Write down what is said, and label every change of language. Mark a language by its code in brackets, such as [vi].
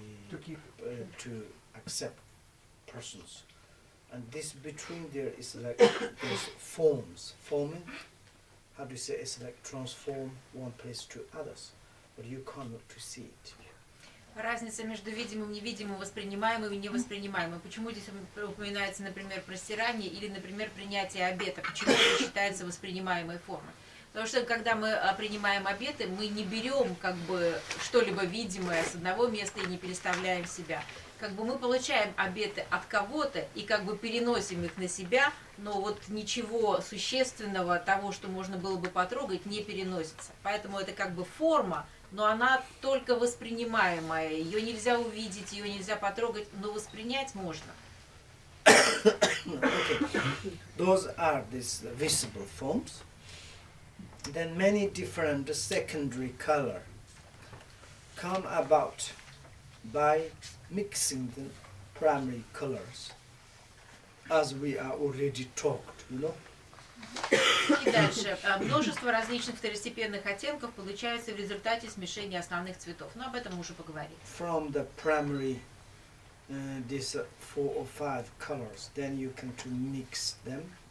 [en] to keep to accept persons. And this between there is like those forms, forming. How do you say it's like transform one place to others, but you cannot to see it. [ru] Разница между видимым, невидимым, воспринимаемым и невоспринимаемым. Почему здесь упоминается, например, простирание или, например, принятие обета? Почему это считается воспринимаемой формой? Потому что когда мы принимаем обеты, мы не берем как бы что-либо видимое с одного места и не переставляем себя. Как бы мы получаем обеты от кого-то и как бы переносим их на себя, но вот ничего существенного, того, что можно было бы потрогать, не переносится. Поэтому это как бы форма, но она только воспринимаемая. Ее нельзя увидеть, ее нельзя потрогать, но воспринять можно. [en] Okay. Those are these visible forms. Then many different secondary color come about by mixing the primary colors, as we are already talked, you know. [ru] И дальше. Множество различных второстепенных оттенков получается в результате смешения основных цветов. Но об этом мы уже поговорим. [en] From the primary, these four or five colors, then you can to mix them.